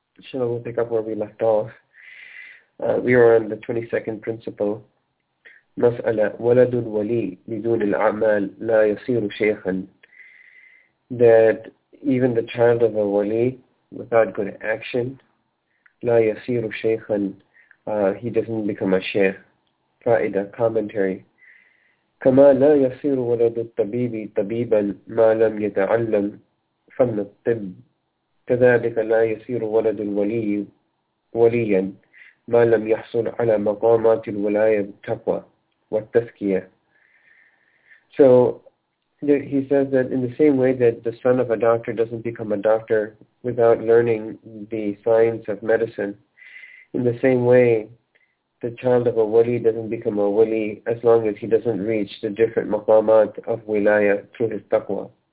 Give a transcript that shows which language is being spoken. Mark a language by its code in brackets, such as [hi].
[en] Shall we pick up where we left off? We are on the 22nd principle. [ar] مسألة ولد ولي بدون الأعمال لا يصير شيخا. [en] That even the child of a wali without good action, [ar] لا يصير شيخا, [en] he doesn't become a sheikh. [ar] فائدة commentary. كما لا يصير ولد الطبيب طبيبا ما لم يتعلم فن الطب كذلك لا يصير ولد الولي وليا ما لم يحصل على مقامات الولاية بالتقوى والتزكية. [en] So he says that in the same way that the son of a doctor doesn't become a doctor without learning the science of medicine, in the same way the child of a wali doesn't become a wali as long as he doesn't reach the different maqamat of wilaya through his taqwa.